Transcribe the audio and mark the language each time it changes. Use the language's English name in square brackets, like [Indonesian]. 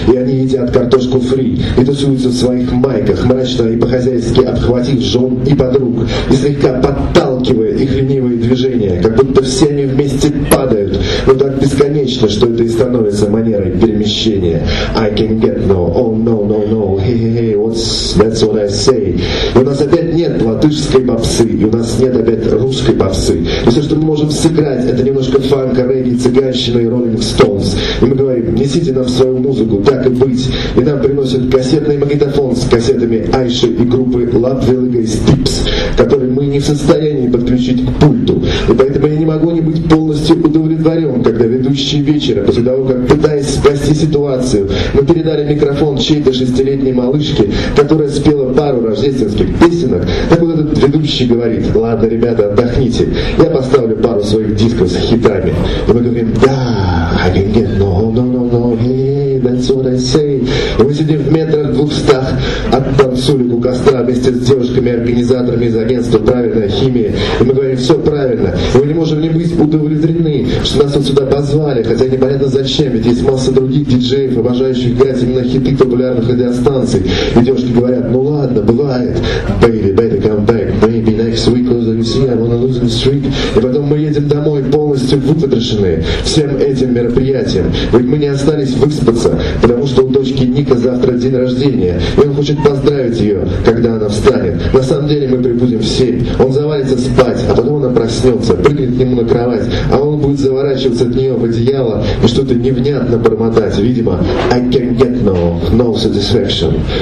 [Russian] И они едят картошку фри и тусуются в своих майках, мрачно и по-хозяйски обхватив жен и подруг, и слегка подталкивая их ленивые движения, как будто все они вместе падают, но так бесконечно, что это и становится манерой перемещения. [English] I can't get no, oh no, hey, that's what I say. [Russian] И у нас опять нет латышской попсы, и у нас нет опять русской попсы. И все, что мы можем сыграть, это немножко фанка, регги, цыганщина и Rolling Stones. И мы говорим, несите нам свою музыку, так и быть. И нам приносят кассетный магнитофон с кассетами Айши и группы Ludwig & Stips, которые мы не в состоянии подключить к пульту. И поэтому я не могу не быть полностью удовлетворен, когда ведущие вечера, после того, как, пытаясь спасти ситуацию, мы передали микрофон чьей-то 6-летней малышке, которая спела пару рождественских песенок, так вот этот ведущий говорит, ладно, ребята, отдохните. Я поставлю пару своих дисков с хитами. И мы говорим, да, [English] I can get no, hey, that's what I say. [Russian] И мы сидим в метрах 200 от танцулику костра вместе с девушками-организаторами из агентства «Правильная химия». И мы говорим, все правильно. И мы не можем не быть удовлетворены, что нас вот сюда позвали, хотя непонятно зачем, ведь есть масса других диджеев, обожающих играть именно хиты популярных радиостанций. И девушки говорят, ну ладно, бывает. [English] Baby, baby, come back, baby, next week, cause you see, I'm on a losing streak. [Russian] И потом мы едем домой полностью выпотрошенные всем этим мероприятием. Ведь мы не остались выспаться, потому что у дочки Ника завтра день рождения, и он хочет поздравить ее, когда она встанет. На самом деле мы прибудем в 7. Он завалится спать, а потом она проснется, прыгнет к нему на кровать, а он будет заворачиваться от нее в одеяло и что-то невнятно бормотать. Видимо, [English] I can't get no satisfaction.